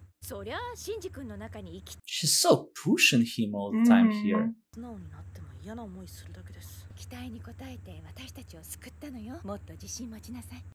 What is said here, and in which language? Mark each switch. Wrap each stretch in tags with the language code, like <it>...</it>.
<ja>そりゃ、シンジ君の中に生き。</ja> <en>She's so pushing him all the time here.</en> <ja>素直になっても嫌な思いするだけです。期待に応えて私たちを救ったのよ。もっと自信持ちなさい。</ja>